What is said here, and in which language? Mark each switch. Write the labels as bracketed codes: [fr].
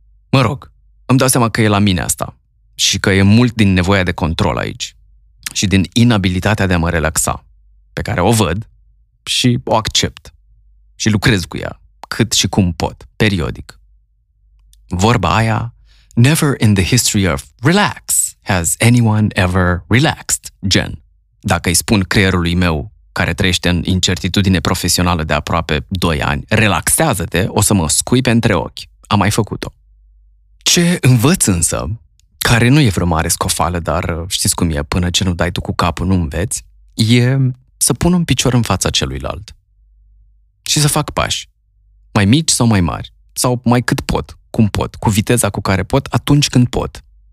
[ro] Mă rog, îmi dau seama că e la mine asta și că e mult din nevoia de control aici și din inabilitatea de a mă relaxa, pe care o văd și o accept și lucrez cu ea cât și cum pot, periodic. Vorba aia, [en] never in the history of relax has anyone ever relaxed, [ro] gen. Dacă îi spun creierului meu, care trăiește în incertitudine profesională de aproape 2 ani, relaxează-te, o să mă scuipe între ochi. Am mai făcut-o. Ce învăț însă, care nu e vreo mare scofală, dar știți cum e, până ce nu dai tu cu capul, nu înveți, e să pun un picior în fața celuilalt și să fac pași, mai mici sau mai mari, sau mai cât pot, cum pot, cu viteza cu care pot, atunci când pot.